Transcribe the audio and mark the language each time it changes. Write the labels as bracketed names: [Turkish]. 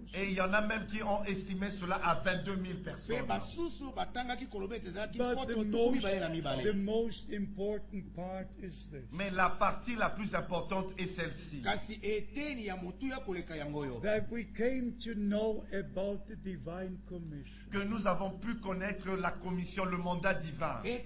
[French] Et il y en a même qui ont estimé cela à 22,000 personnes. [English] But the most important part is this. [French] Mais la partie la plus importante est celle-ci. [English] That we came to know about the divine commission. [French] Que nous avons pu connaître la commission, le mandat divin.